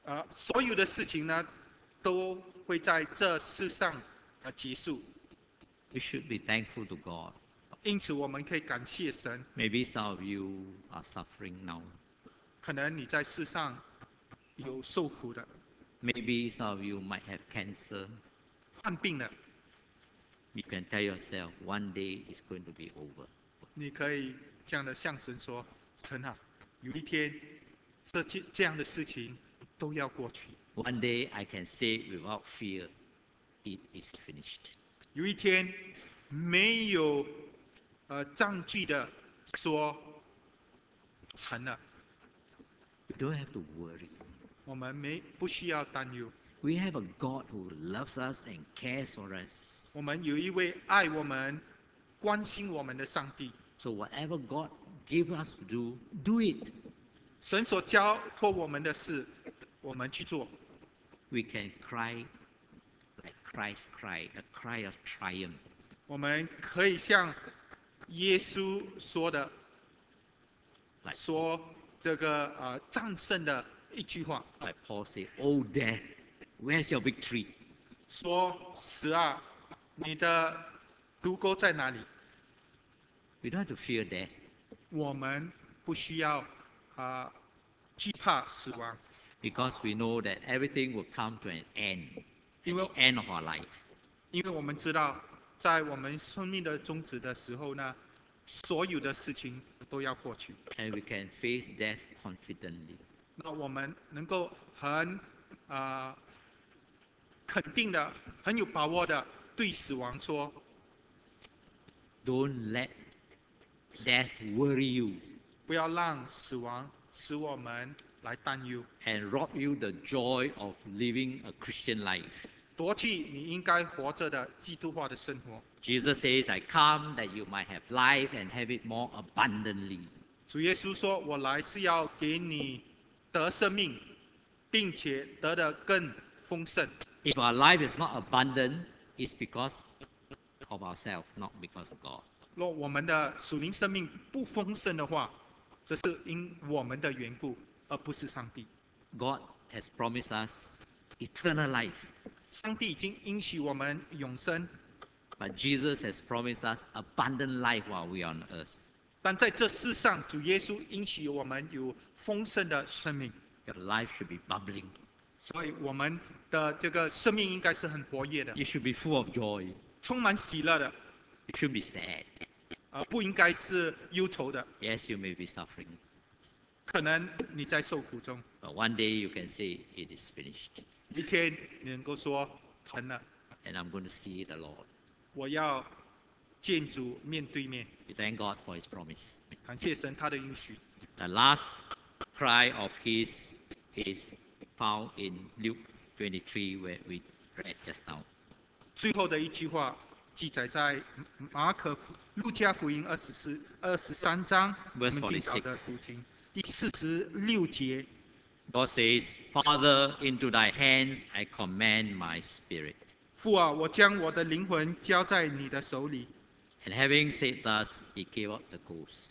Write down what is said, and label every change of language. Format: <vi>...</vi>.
<zh>所有的事情呢，都会在这世上结束。</zh> <en>We should be thankful to God.</en> <zh>因此我们可以感谢神。</zh> <en>Maybe some of you are suffering now.</en> <zh>可能你在世上有受苦的。</zh> <en>Maybe some of you might have cancer.</en> <zh>患病了。</zh> <en>You can tell yourself, one day it's going to be over.</en> <zh>你可以这样的向神说，神啊，有一天这样的事情都要过去。</zh> <en>One day I can say without fear, it is finished.</en> <zh>有一天没有障碍的说成了。</zh> <en>You don't have to worry.</en> <zh>我们不需要担忧。</zh> <en>We have a God who loves us and cares for us.</en> <zh>我们有一位爱我们关心我们的上帝。</zh> <en>So whatever God give us to do, do it.</en> <zh>神所交托我们的事，我们去做。</zh> <en>We can cry like Christ cried, a cry of triumph.</en> <zh>我们可以像耶稣说的，</zh> <en>like,</en> <zh>说这个战胜的一句话。</zh> <en>Like Paul said, "Oh death, where's your victory?"</en> <zh>说死啊，你的毒钩在哪里？</zh> <en>We don't have to fear death.</en> <zh>我们不需要惧怕死亡。</zh> <en>Because we know that everything will come to an end, at the end of our life.</en> <zh>因为我们知道，在我们生命的终止的时候呢，所有的事情都要过去。</zh> <en>And we can face death confidently.</en> <zh>那我们能够很肯定的、很有把握的对死亡说</zh> <en>，Don't let death worry you.</en> <zh>不要让死亡使我们来担忧。</zh> <en>And rob you the joy of living a Christian life.</en> <zh>夺去你应该活着的基督化的生活。</zh> <en>Jesus says, I come that you might have life and have it more abundantly.</en> <zh>主耶稣说，我来是要给你得生命，并且得得更丰盛。</zh> <en>If our life is not abundant, it's because of ourselves, not because of God.</en> <zh>若我们的属灵生命不丰盛的话，这是因我们的缘故，而不是上帝。</zh> <en>God has promised us eternal life.</en> <zh>上帝已经应许我们永生。</zh> <en>But Jesus has promised us abundant life while we are on earth.</en> <zh>但在这世上，主耶稣应许我们有丰盛的生命。</zh> <en>Your life should be bubbling.</en> <zh>所以我们的这个生命应该是很活跃的。</zh> <en>It should be full of joy.</en> <zh>充满喜乐的。</zh> <en>It should be sad.</en> <zh>不应该是忧愁的。</zh> <en>Yes, you may be suffering.</en> <zh>可能你在受苦中。</zh> <en>But one day you can say it is finished.</en> <zh>一天你能够说成了。</zh> <en>And I'm going to see the Lord.</en> <zh>我要建筑面对面。</zh> <en>We thank God for His promise.</en> <zh>感谢神他的应许。</zh> <en>The last cry of his is found in Luke 23, where we read just now.</en> <zh>最后的一句话记载在马可路加福音23章</zh> <en>verse</en> <zh>46节。</zh> <en>God says, Father, into thy hands I commend my spirit.</en> <zh>父啊，我将我的灵魂交在你的手里。</zh> <en>And having said thus, he gave up the ghost.</en>